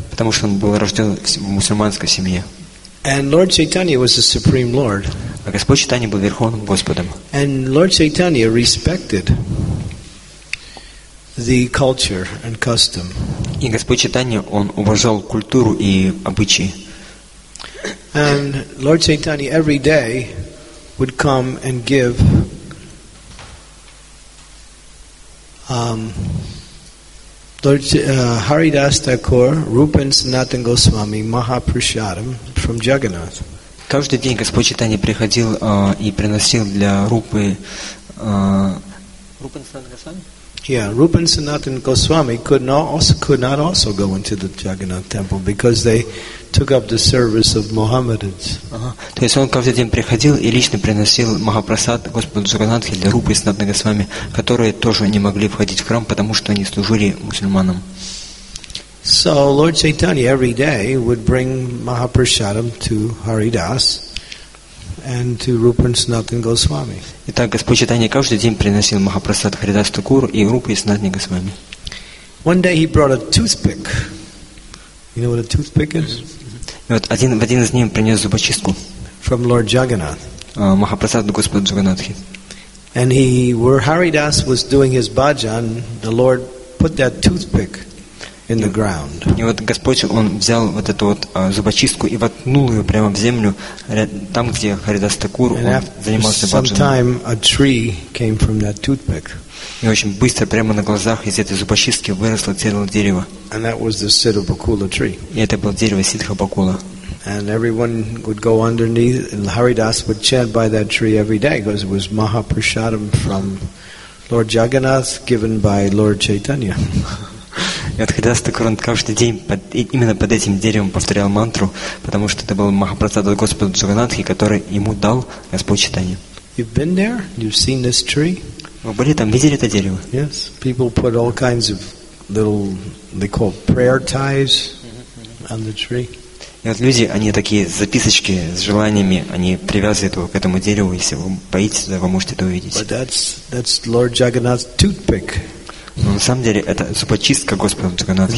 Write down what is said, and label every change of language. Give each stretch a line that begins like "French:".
Russian: Потому что он был рожден в мусульманской семье.
English: And Lord Chaitanya was the supreme Lord.
Russian: А Господь Чайтанья был верховным Господом.
English: And Lord Chaitanya respected the culture and custom.
Russian: И Господь Чайтанья, он уважал культуру и обычаи.
English: And Lord Chaitanya every day would come and give Hridayas Thakur, Rupa and Sanatana Goswami, Mahaprasadam from Jagannath.
Russian: Каждый день Господь Чайтанья приходил и приносил для Рупы
English: Rupa and Sanatana Goswami? Yeah, Rupa and Sanatana Goswami could not also go into the Jagannath temple because they took up the service of Mohammedans.
Russian: То есть он каждый день приходил и лично приносил Махапрасад Господу Джаганатхе для Рупы и Санатана Госвами, которые тоже не могли входить в храм, потому что они служили мусульманам.
English: So Lord Chaitanya every day would bring Mahaprasadam to Haridas and to Rupa and Sanatana Goswami.
Russian: Итак, Господь Чайтанья каждый день приносил Махапрасад Харидас Такуру и Рупа и Санатана Госвами.
English: One day he brought a toothpick. You know what a toothpick is?
Russian: И вот в один из дней принес зубочистку.
English: From Lord Jagannath.
Russian: Махапрасад Господа Джаганатхи.
English: And he, where Haridas was doing his bhajan, the Lord put that toothpick in the ground.
Russian: И вот Господь, он взял вот эту вот зубочистку и воткнул ее прямо в землю, там, где Харидас Такур занимался бхаджаном.
English: Some time a tree came from that toothpick.
Russian: И очень быстро, прямо на глазах из этой зубочистки выросло целое дерево.
English: And that was the Siddha Bakula tree.
Russian: И это было дерево Сиддха Бакула.
English: And everyone would go underneath, and Haridas would chant by that tree every day, because it was Mahaprasadam from Lord Jagannath, given by Lord Chaitanya.
Russian: И вот Hridayas Thakur каждый день именно под этим деревом повторял мантру, потому что это был Махапрасад от Господа Джаганатхи, который ему дал Господь Чайтанья.
English: You've been there? You've seen this tree?
Russian: Вы были там, видели это дерево?
English: Yes. People put all kinds of little, they call prayer ties on the tree.
Russian: И вот люди, они такие записочки с желаниями, они привязывают его к этому дереву, если вы боитесь, то вы можете это увидеть.
English: But that's Lord Jagannath's toothpick.
Russian: Но на самом деле это зубочистка Господа Джаганатхи.